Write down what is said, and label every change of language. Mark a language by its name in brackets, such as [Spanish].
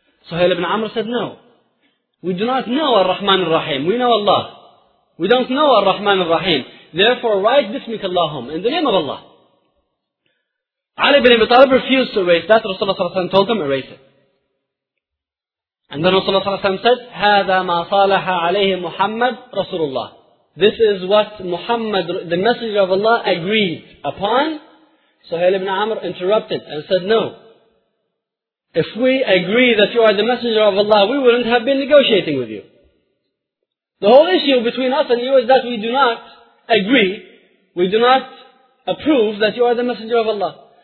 [English] Suhail ibn Amr said, no. We do not know ar-Rahman ar-Rahim. We know Allah. We don't know ar-Rahman ar-Rahim. Therefore, write bismika Allahum. In the name of Allah. Ali ibn Abi Talib refused to erase that. Rasulullah ﷺ told him, erase it. And then Rasulullah ﷺ said, [Arabic] هَذَا مَا صَالَحَ عَلَيْهِ مُحَمَّدْ رَسُولُ اللَّهِ. [English] This is what Muhammad, the Messenger of Allah, agreed upon. Suhail ibn Amr interrupted and said, no. If we agree that you are the Messenger of Allah, we wouldn't have been negotiating with you. The whole issue between us and you is that we do not agree, we do not approve that you are the Messenger of Allah.